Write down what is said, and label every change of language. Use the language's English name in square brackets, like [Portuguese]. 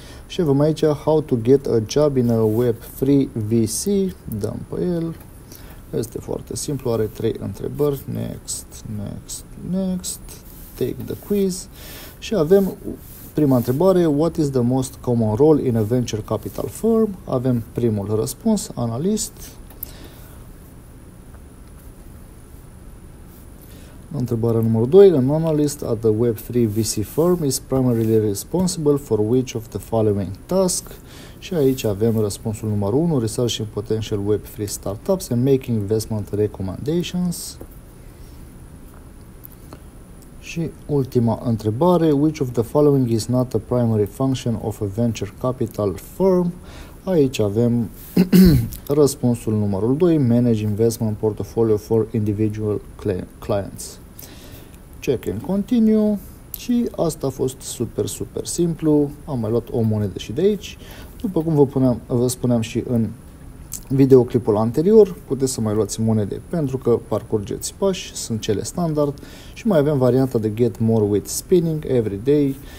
[Romanian] Și avem aici [English] How to get a job in a web-free VC. [Romanian] Dăm pe el. Este foarte simplu, are 3 întrebări. [English] Next, next, next. Take the quiz. [Romanian] Și avem prima întrebare. [English] What is the most common role in a venture capital firm? [Romanian] Avem primul răspuns, analist. Întrebarea numărul 2. [English] An analyst at the Web3 VC firm is primarily responsible for which of the following tasks? [Romanian] Și aici avem răspunsul numărul 1. [English] Researching potential Web3 startups and making investment recommendations. [Romanian] Și ultima întrebare. [English] Which of the following is not a primary function of a venture capital firm? [Romanian] Aici avem răspunsul numărul 2. [English] Manage investment portfolio for individual clients. Check and continue [Romanian] și asta a fost super, super simplu. Am mai luat o monedă și de aici. După cum vă spuneam și în videoclipul anterior, puteți să mai luați monede pentru că parcurgeți pași, sunt cele standard și mai avem varianta de [English] get more with spinning every day.